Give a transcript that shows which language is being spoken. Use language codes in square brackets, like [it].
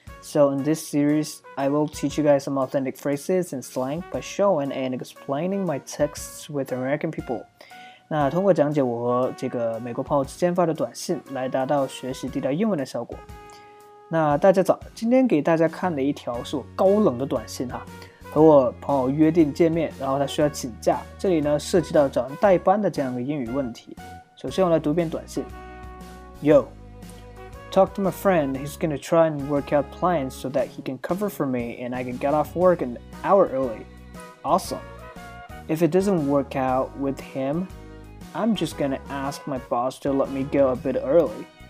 [en] So in this series, I will teach you guys some authentic phrases and slang by showing and explaining my texts with American people. [zh] 那通过讲解我和这个美国朋友之间发的短信，来达到学习地道英文的效果。那大家早，今天给大家看的一条是我高冷的短信哈。和我朋友约定见面，然后他需要请假。这里呢，涉及到找人代班的这样一个英语问题。首先，我来读遍短信。 [en] Yo, talk to my friend. He's gonna try and work out plans so that he can cover for me and I can get off work an hour early. Awesome. If it doesn't work out with him, I'm just gonna ask my boss to let me go a bit early.